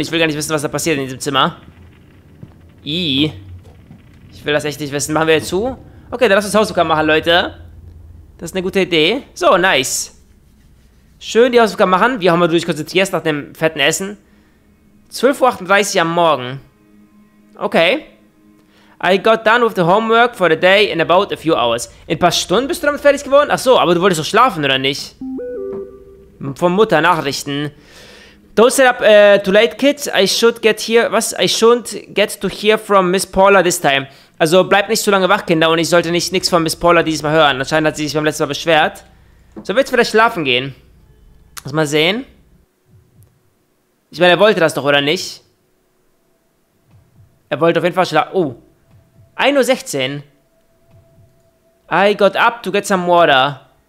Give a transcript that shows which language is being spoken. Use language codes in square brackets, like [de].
[de] Ich will gar nicht wissen, was da passiert in diesem Zimmer. Ich will das echt nicht wissen. Machen wir jetzt zu? Okay, dann lass uns Hausaufgaben machen, Leute. Das ist eine gute Idee. So, nice. Schön die Hausaufgaben machen. Wie auch immer du dich konzentrierst nach dem fetten Essen. 12:38 Uhr am Morgen. Okay. [en] I got done with the homework for the day in about a few hours. [de] In ein paar Stunden bist du damit fertig geworden? Ach so, aber du wolltest doch schlafen, oder nicht? Von Mutter Nachrichten. [en] Don't set up too late, kids. I shouldn't get to hear from Miss Paula this time. [de] Also bleib nicht zu lange wach, Kinder, und ich sollte nichts von Miss Paula dieses Mal hören. Anscheinend hat sie sich beim letzten Mal beschwert. So, willst du vielleicht schlafen gehen? Lass mal sehen. Ich meine, er wollte das doch, oder nicht? Er wollte auf jeden Fall schlafen. Oh. 1:16 Uhr. [en] I got up to get some water.